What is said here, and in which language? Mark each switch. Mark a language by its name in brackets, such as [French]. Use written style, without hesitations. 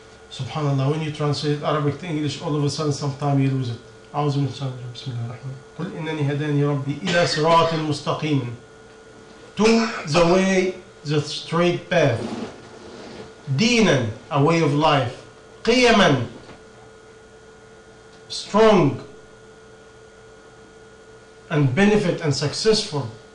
[English] Subhanallah, when you translate Arabic to English, all of a sudden sometime you lose it. [Arabic] أعوذ من الشيطان الرجيم بسم الله الرحمن الرحيم. قل إنني هداني ربي إلى صراط مستقيم. [English] To the way, the straight path. دينا, a way of life. قيما, strong and benefit and successful.